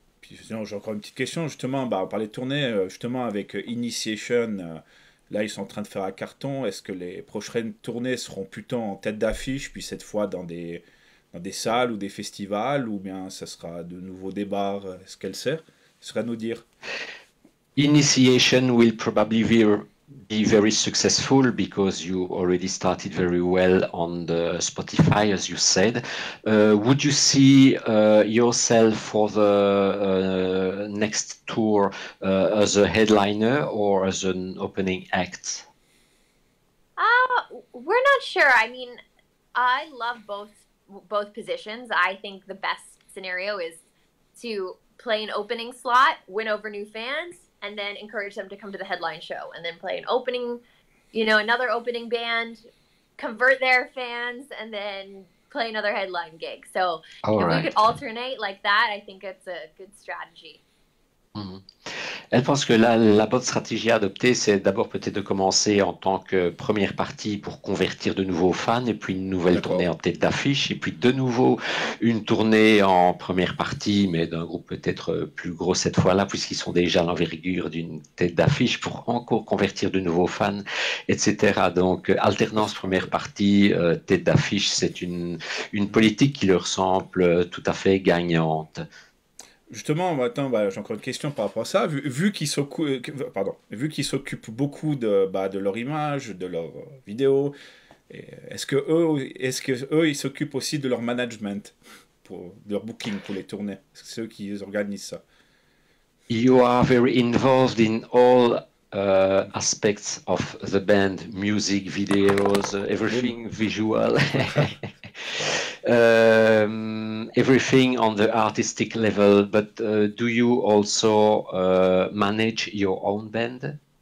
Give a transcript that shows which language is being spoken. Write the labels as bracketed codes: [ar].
[fr] J'ai encore une petite question, justement, bah, on parlait de tournée, justement, avec Initiation, là, ils sont en train de faire un carton. Est-ce que les prochaines tournées seront plutôt en tête d'affiche, puis cette fois dans des salles ou des festivals, ou bien ça sera de nouveaux débats, est-ce qu'elle sait? Ce serait à nous dire. [en] Initiation will probably be very successful because you already started very well on the Spotify, as you said. Would you see yourself for the next tour as a headliner or as an opening act? We're not sure. I mean, I love both positions. I think the best scenario is to play an opening slot, win over new fans, and then encourage them to come to the headline show, and then play an opening, another opening band, convert their fans, and then play another headline gig. So All if we could right. alternate like that, I think it's a good strategy. [fr] Elle pense que la bonne stratégie à adopter, c'est d'abord peut-être de commencer en tant que première partie pour convertir de nouveaux fans, et puis une nouvelle tournée en D'accord. tête d'affiche, et puis de nouveau une tournée en première partie, mais d'un groupe peut-être plus gros cette fois-là, puisqu'ils sont déjà à l'envergure d'une tête d'affiche, pour encore convertir de nouveaux fans, etc. Donc, alternance première Incroyable. partie, tête d'affiche, c'est une politique qui leur semble tout à fait gagnante. Justement, attends, bah, j'ai encore une question par rapport à ça. Vu qu'ils s'occupent beaucoup de leur image, de leur vidéo, est-ce que eux, ils s'occupent aussi de leur management, de leur booking pour les tournées? C'est eux qui organisent ça. [en] You are very involved in all aspects of the band, music, videos, everything visual, everything on the artistic level. But do you also manage your own band?